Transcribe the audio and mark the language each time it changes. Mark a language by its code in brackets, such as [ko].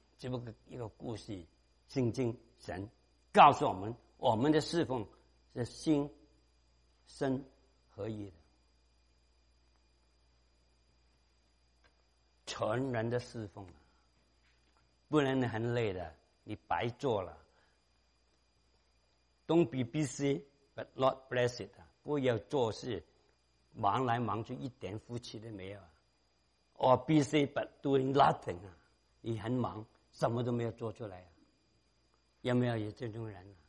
[zh] 这不一个故事，圣经神告诉我们，我们的侍奉是心身合一的，全人的侍奉，不然你很累的，你白做了。 [en] Don't be busy, but not blessed. [zh] 不要做事，忙来忙去，一点福气都没有。 [en] Or busy but doing nothing. [zh] 你很忙，什么都没有做出来。有没有这种人？